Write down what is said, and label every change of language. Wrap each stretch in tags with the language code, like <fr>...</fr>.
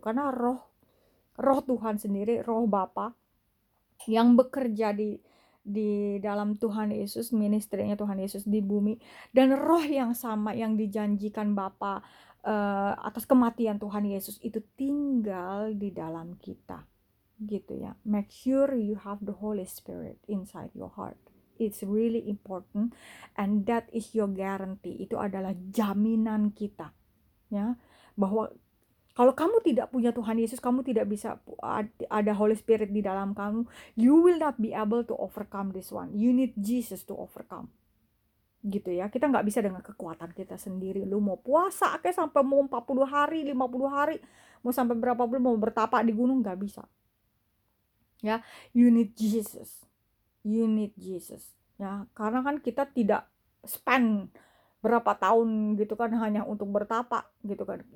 <id>Karena roh Tuhan sendiri, Roh Bapa yang bekerja di dalam Tuhan Yesus, ministrinya Tuhan Yesus di bumi, dan roh yang sama yang dijanjikan Bapa atas kematian Tuhan Yesus itu tinggal di dalam kita gitu ya.</id> <en>Make sure you have the Holy Spirit inside your heart. It's really important, and that is your guarantee.</en> <id>Itu adalah jaminan kita ya, bahwa kalau kamu tidak punya Tuhan Yesus, kamu tidak bisa ada Holy Spirit di dalam kamu.</id> <en>You will not be able to overcome this one. You need Jesus to overcome gitu ya.</en> <id>Kita nggak bisa dengan kekuatan kita sendiri. Lu mau puasa kayak sampai mau 40 hari, 50 hari, mau sampai berapa bulan, mau bertapa di gunung, nggak bisa ya.</id> <en>You need Jesus ya.</en> <id>Karena kan kita tidak spend berapa tahun gitu kan hanya untuk bertapa gitu kan.</id>